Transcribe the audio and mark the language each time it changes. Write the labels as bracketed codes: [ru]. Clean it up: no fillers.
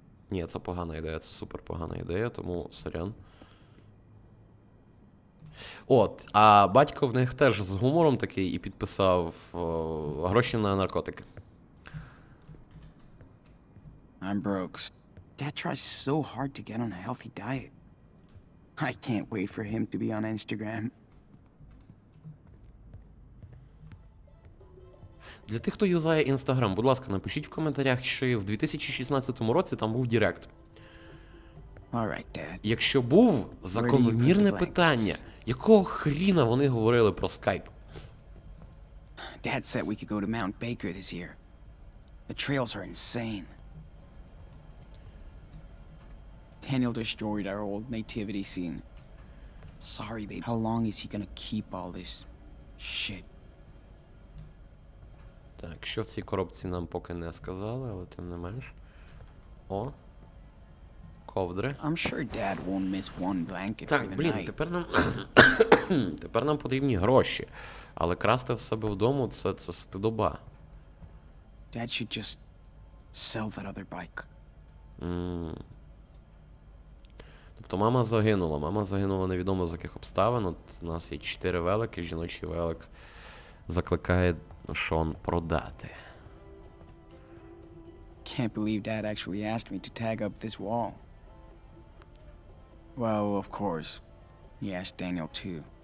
[uk] Ні, це погана ідея, це супер погана ідея, тому сорян. От, а батько в них теж з гумором такий і підписав гроші на наркотики. [en] I'm broke. Dad tries so hard to get on a healthy diet. I can't wait for him to be on Instagram. [uk] Для тих, хто юзає Instagram, будь ласка, напишіть в коментарях, чи в 2016 році там був директ. [en] All right, Dad. [uk] Якщо був, закономірне питання. Якого хріна вони говорили про Skype? [en] Dad said we could go to Mount Baker this year. The trails are insane. Daniel destroyed our old nativity scene. Sorry, babe. How long is he gonna keep all this shit? [uk] Так, що в цій коробці нам поки не сказали, але тим не менш. О. Ковдри. [en] I'm sure Dad won't miss one blanket. [uk] Так, блін, тепер нам тепер нам потрібні гроші. Але красти в себе вдома це стидоба. [en] Dad should just sell that other bike. [uk] Тобто мама загинула. Мама загинула невідомо з яких обставин. От у нас є 4 велики, жіночий велик закликає Шон продати. [en] Can't believe Dad actually asked me to tag up this wall. Well, of course. He asked Daniel too.